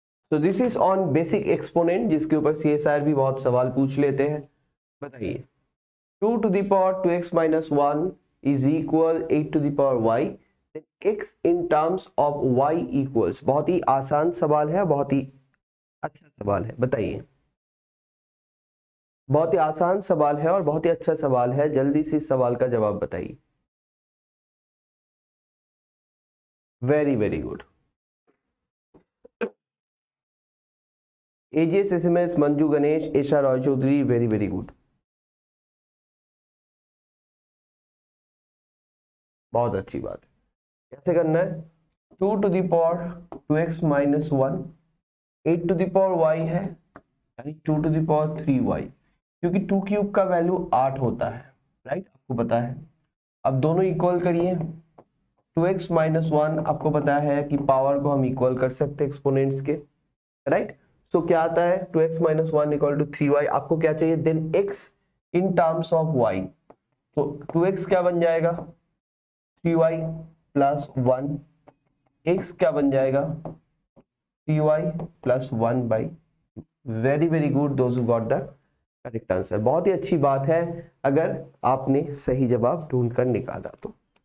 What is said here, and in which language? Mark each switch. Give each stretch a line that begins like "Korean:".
Hindi: तो
English: this is on basic exponent
Hindi: जिसके ऊपर सी एस आर भी बहुत सवाल पूछ लेते हैं।
English: बताइए 2 to the power 2x minus 1 is equal 8 to the power y, then x in terms of y equals.
Hindi: बहुत ही आसान सवाल है, बहुत ही अच्छा सवाल है। बताइए, बहुत ही आसान सवाल है और बहुत ही अच्छा सवाल है। जल्दी से इस सवाल का जवाब बताइए।
English: very very good
Hindi: AGS SMS, Manju Ganesh, Isha Roy Chaudhary, very very good, बहुत अच्छी बात है। कैसे करना है?
English: 2 to the power 2x minus 1, 8 to the power y है यानी 2 to the power 3y,
Hindi: क्योंकि 2 क्यूब का वैल्यू 8 होता है,
English: Right?
Hindi: आपको पता है। अब दोनों इक्वल करिए, 2x माइनस 1 आपको पता है कि पावर को हम इक्वल कर सकते हैं एक्सपोनेंट्स के, राइट? So, क्या आता है
English: 2x minus 1 equal to 3y,
Hindi: आपको क्या चाहिए?
English: Then x in terms of y, so 2x क्या बन जाएगा 3y plus 1, x क्या बन जाएगा 3y plus 1 by, very very good those who got the correct answer,
Hindi: बहुत ही अच्छी बात है अगर आपने सही जवाब ढूंढकर निकाला तो।